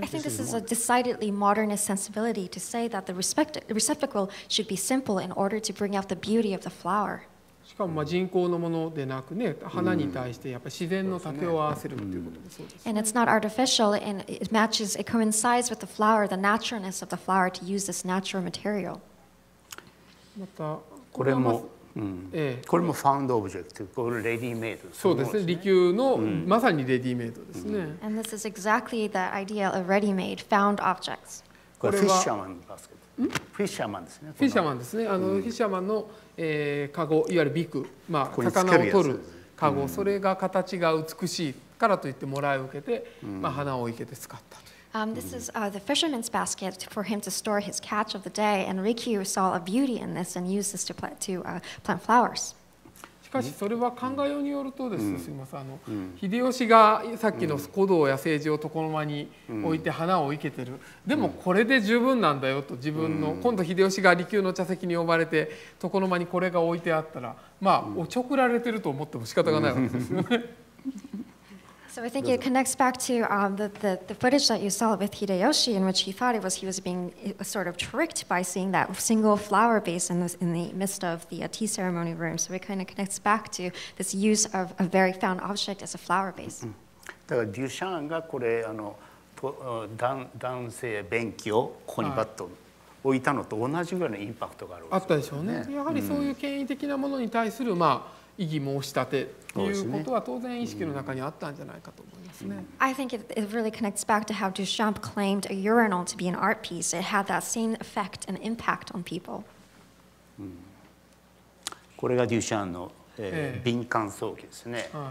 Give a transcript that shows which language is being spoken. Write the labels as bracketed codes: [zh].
[en] I think this is a decidedly modernist sensibility to say that the receptacle should be simple in order to bring out the beauty of the flower. [ja] しかもまあ人工のものでなくね、花に対してやっぱり自然の竹を合わせるということもそうです、ね。 [en] And it's not artificial, and it matches, it coincides with the flower, the naturalness of the flower to use this natural material. [ja] またこれも、これも found object、これレディメイド。そうですね、利休のまさにレディメイドですね。 [en] And this is exactly the idea of ready-made found objects. [ja] これはフィッシャーマンのバスケット。フィッシャーマンですね。フィッシャーマンですね。あの、フィッシャーマンの、カゴ、いわゆるビク、まあ、魚を取るカゴ、それが形が美しいからといってもらい受けて、まあ、花を生けて使ったという。 [en] This is the fisherman's basket for him to store his catch of the day, and Rikyu saw a beauty in this and used this to plant flowers. [ja] しかしそれは考えようによるとですね、すみません、あの、秀吉がさっきの古道や政治を床の間に置いて花を生けてる、でもこれで十分なんだよと、自分の今度秀吉が利休の茶席に呼ばれて床の間にこれが置いてあったら、まあおちょくられてると思っても仕方がないわけですよね。 [en] So I think it connects back to the footage that you saw with Hideyoshi, in which he thought it was he was being sort of tricked by seeing that single flower vase in the midst of the tea ceremony room. So it kind of connects back to this use of a very found object as a flower vase. [ja] だからデュシャンがこれあの男性便器をここにバッと置いたのと同じぐらいのインパクトがあるわけですよね。あったでしょうね。やはりそういう権威的なものに対するまあ異議申し立てということは当然意識の中にあったんじゃないかと思いますね。 [en] I think it really connects back to how Duchamp claimed a urinal to be an art piece. It had that same effect and impact on people. [ja] これがデュシャンの瓶乾燥機ですね。